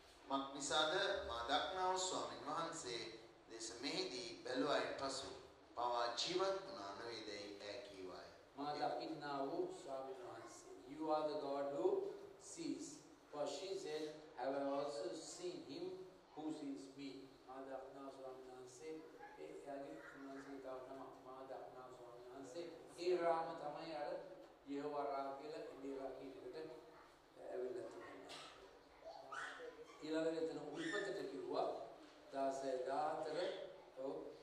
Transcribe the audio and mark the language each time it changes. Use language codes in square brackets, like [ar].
[si] මක් නිසාද මා දක්නාව ස්වාමීන් වහන්සේ දේශ මෙහිදී බැලුවයින් පසු පවා ජීවත් වුණා නොවේදයි ඇ කීවාය. මා දක්නාව ස්වාමීන් වහන්සේ [en] You are the God who sees. For she said, Have I also seen him who sees me? [si] මා දක්නාව ස්වාමීන් වහන්සේ ඒ යගේ ස්වාමීන් වහන්සේ මා දක්නාව ස්වාමීන් වහන්සේ ඒ රාම තමයි අර යෙහෝවා රා කියලා ඉඳලා කීකට ඇවිල්ලා තියෙනවා. ඊළඟට එතන උල්පතට කිව්වා 16 14 ඔව්